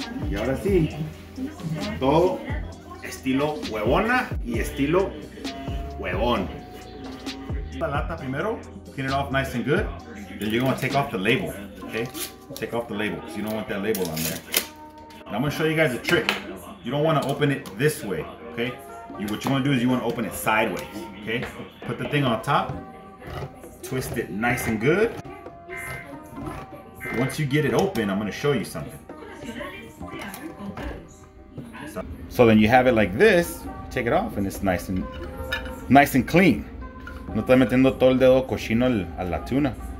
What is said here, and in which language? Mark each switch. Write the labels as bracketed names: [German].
[Spanish] Y ahora sí, todo estilo huevona y estilo huevón. La lata primero, [English] clean it off nice and good. Then you're gonna take off the label, okay? Take off the label, because you don't want that label on there. And I'm gonna show you guys a trick. You don't wanna open it this way. Okay, what you want to do is you want to open it sideways, okay? Put the thing on top, twist it nice and good. Once you get it open, I'm going to show you something. So then you have it like this, take it off, and it's nice and clean. [Spanish] No estoy metiendo todo el dedo cochino a la tuna.